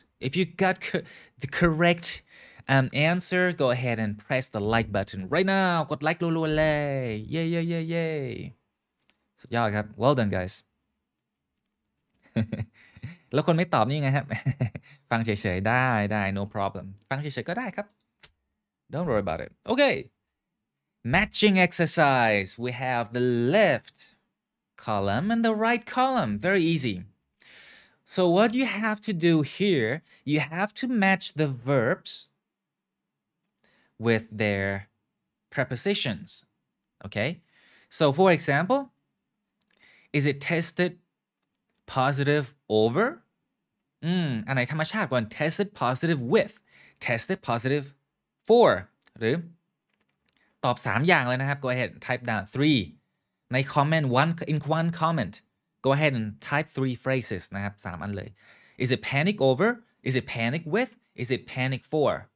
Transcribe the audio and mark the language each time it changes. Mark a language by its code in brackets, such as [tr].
[en] If you got the correct answer, go ahead and press the like button right now. [th] กดไลค์รัวๆเลย Yay. ยอดครับ [en] well done guys [th] แล้วคนไม่ตอบนี่ไงครับฟังเฉยๆได้ [en] no problem [th] ฟังเฉยๆก็ได้ครับ [en] don't worry about it okay matching exercise we have the left column and the right column very easy so what you have to do here you have to match the verbs with their prepositions okay so for examplesIs it tested positive over? [th] อันไหนธรรมชาติกว่า [en] tested positive with tested positive for [th] หรือตอบ3อย่างเลยนะครับ [en] go ahead type down 3 ใน comment one comment go ahead and type 3 phrases [th] นะครับ3อันเลย [en] Is it panic over? Is it panic with? Is it panic for?